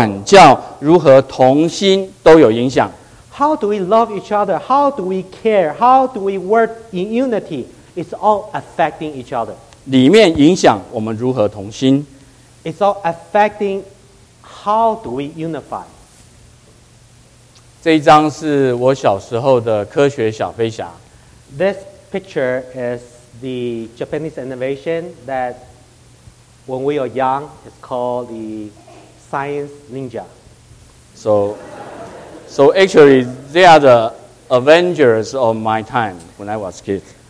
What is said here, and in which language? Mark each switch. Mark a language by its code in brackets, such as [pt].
[zh] 对我们如何相爱，如何管教，如何同心都有影响。 [en] How do we love each other? How do we care? How do we work in unity? It's all affecting each other. [zh] 里面影响我们如何同心。 [en] It's all affecting how do we unify. [zh] 这一张是我小时候的科学小飞侠。 [en] This picture is the Japanese innovation that when we are young, it's called the science ninja. So actually, they are the Avengers of my time when I was a kid.